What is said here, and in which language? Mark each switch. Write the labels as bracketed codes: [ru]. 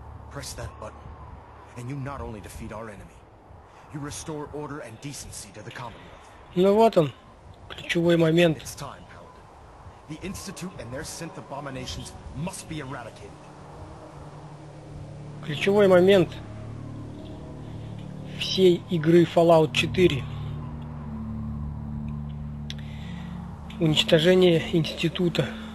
[en] Press that button, and you not only defeat our enemy, you restore order and decency to the Commonwealth. [ru] Ну вот он, ключевой момент. [en] It's time, Paladin. The Institute and their synth abominations must be eradicated. [ru] Ключевой момент всей игры Fallout 4. Уничтожение Института.